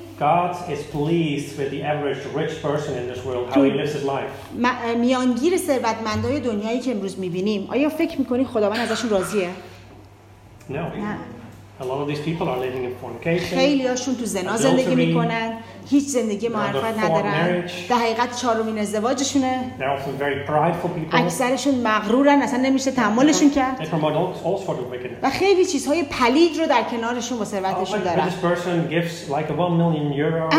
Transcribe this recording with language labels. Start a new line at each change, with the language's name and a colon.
English: God is pleased with the average rich person in this world how he lives his life.
Persian: میانگین ثروتمندای دنیایی که امروز می‌بینیم آیا فکر می‌کنید خداوند ازشون راضیه؟ نه.
English: A lot of these people are living in fornication.
Persian: خیلی هاشون تو زنا زندگی میکنن. هیچ زندگی معرفت ندارن. در حقیقت چهارمین ازدواجشونه.
English: They're often very prideful people.
Persian: اکثرشون مغرورن. اصلا نمیشه تحملشون کرد.
English: They promote all sorts of wickedness.
Persian: و خیلی چیزهای پلید رو در کنارشون با ثروتشون دارن.
English: This person gives like a 1 million euro.